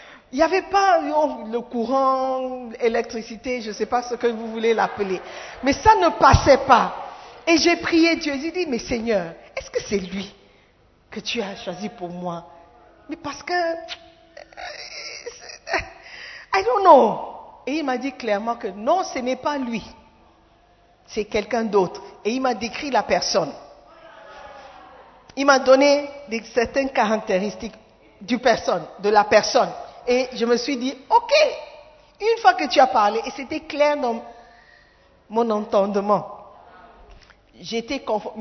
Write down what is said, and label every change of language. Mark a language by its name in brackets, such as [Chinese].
[French] Il n'y avait pas le courant, l'électricité, je ne sais pas ce que vous voulez l'appeler. Mais ça ne passait pas. Et j'ai prié Dieu, j'ai dit, mais Seigneur, est-ce que c'est lui que tu as choisi pour moi? Mais parce que, [English] I don't know. [French] Et il m'a dit clairement que non, ce n'est pas lui. C'est quelqu'un d'autre. Et il m'a décrit la personne. Il m'a donné certaines caractéristiques de la personne. Et je me suis dit, ok, une fois que tu as parlé, et c'était clair dans mon entendement, j'étais confortable.